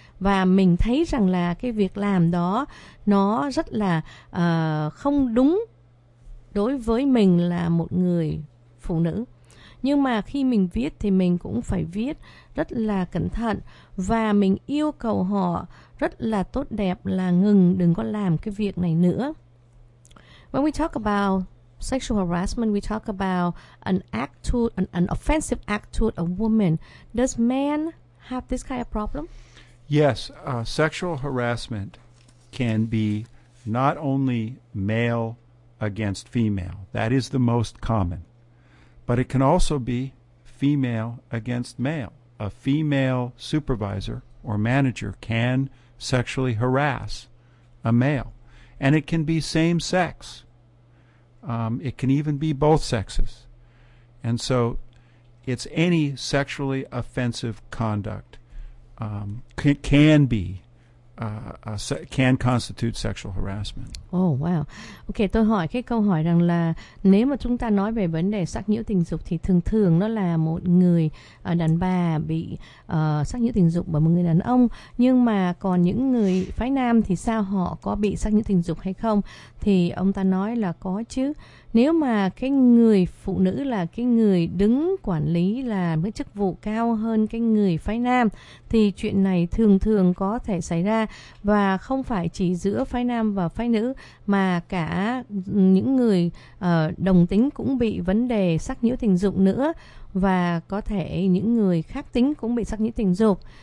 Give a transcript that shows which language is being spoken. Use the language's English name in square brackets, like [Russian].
[Vietnamese] Và mình thấy rằng là cái việc làm đó nó rất là không đúng đối với mình là một người phụ nữ. Nhưng mà khi mình viết thì mình cũng phải viết rất là cẩn thận. Và mình yêu cầu họ rất là tốt đẹp là ngừng, đừng có làm cái việc này nữa. [English] When we talk about sexual harassment, we talk about an offensive act toward a woman. Does men have this kind of problem? Yes, sexual harassment can be not only male against female. That is the most common. But it can also be female against male. A female supervisor or manager can sexually harass a male. And it can be same sex. It can even be both sexes. And so it's any sexually offensive conduct can constitute sexual harassment. Oh, wow. [Vietnamese] Ok, tôi hỏi cái câu hỏi rằng là nếu mà chúng ta nói về vấn đề sắc nhiễu tình dục thì thường thường nó là một người đàn bà bị sắc nhiễu tình dục bởi một người đàn ông. Nhưng mà còn những người phái nam thì sao, họ có bị sắc nhiễu tình dục hay không? Thì ông ta nói là có chứ. Nếu mà cái người phụ nữ là cái người đứng quản lý là cái chức vụ cao hơn cái người phái nam thì chuyện này thường thường có thể xảy ra, và không phải chỉ giữa phái nam và phái nữ mà cả những người đồng tính cũng bị vấn đề sắc nhiễu tình dục nữa, và có thể những người khác tính cũng bị sắc nhiễu tình dục.